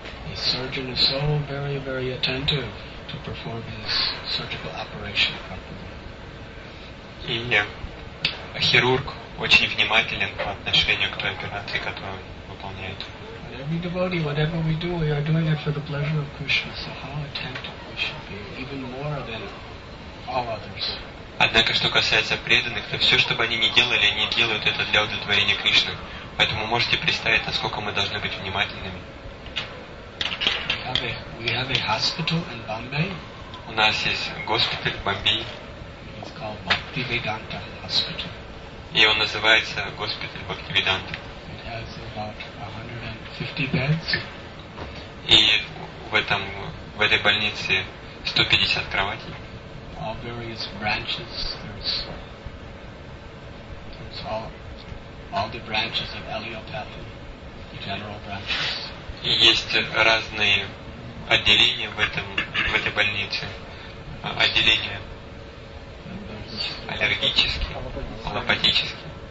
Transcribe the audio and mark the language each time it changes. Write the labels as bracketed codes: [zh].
[en] The surgeon is so very, very attentive to perform his surgical operation properly. [ru] И хирург очень внимателен по отношению к той операции, которую выполняет. [en] Every devotee, whatever we do, we are doing it for the pleasure of Krishna. So how attentive we should be, even more than all others. [ru] Однако, что касается преданных, то все, что бы они ни делали, они делают это для удовлетворения Кришны. Поэтому можете представить, насколько мы должны быть внимательными. [en] We have a hospital in Bombay. [ru] У нас есть госпиталь в Бомбее. [en] It's called Bhaktivedanta Hospital. [ru] И он называется госпиталь Бхактивиданта. [en] It has about 150 beds. [ru] И в этой больнице 150 кроватей. [en] All various branches. There's all the branches of allopathy, the general branches. [ru] И есть разные отделения в этой больнице. Отделения аллергические, аллопатические.